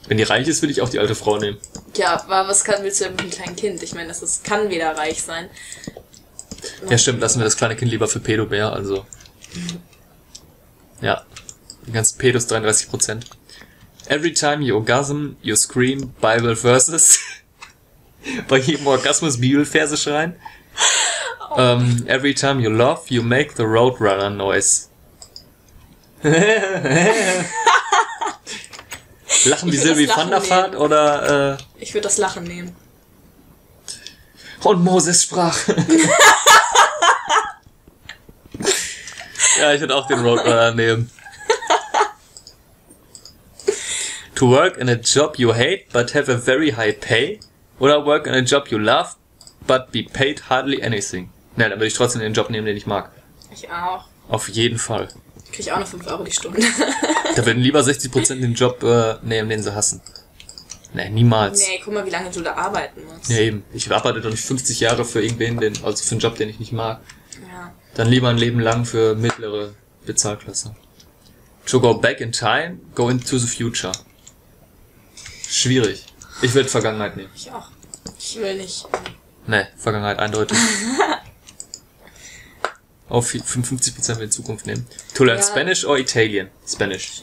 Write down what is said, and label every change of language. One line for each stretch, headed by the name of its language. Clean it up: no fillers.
German: Wenn die reich ist, würde ich auch die alte Frau nehmen. Ja, aber was willst du denn mit dem kleinen Kind? Ich meine, das kann weder reich sein. Ja, stimmt. Lassen wir das kleine Kind lieber für Pedobär, also. Ja. Ganz Pedos 33%.
English: Every time you orgasm, you scream Bible verses.
German: Bei jedem Orgasmus Bibelverse schreien.
English: Every time you love, you make the Roadrunner noise.
German: Lachen wie Sylvie van der Vaart oder... Ich würde das Lachen nehmen. Und Moses sprach. Ja, ich würde auch den Roadrunner nehmen.
English: To work in a job you hate, but have a very high pay. Oder work in a job you love, but be paid hardly anything.
German: Na, dann würde ich trotzdem den Job nehmen, den ich mag. Ich auch. Auf jeden Fall. Krieg ich auch noch 5 Euro die Stunde. Da würden lieber 60% den Job nehmen, den sie hassen. Nee, niemals. Nee, guck mal, wie lange du da arbeiten musst. Ja, eben. Ich arbeite doch nicht 50 Jahre für irgendwen, also für einen Job, den ich nicht mag. Ja. Dann lieber ein Leben lang für mittlere Bezahlklasse.
English: To go back in time, go into the future.
German: Schwierig. Ich würde Vergangenheit nehmen. Ich auch. Ich will nicht. Nee, Vergangenheit, eindeutig. Auf 55% in Zukunft nehmen.
English: To learn Spanish or Italian? Spanish.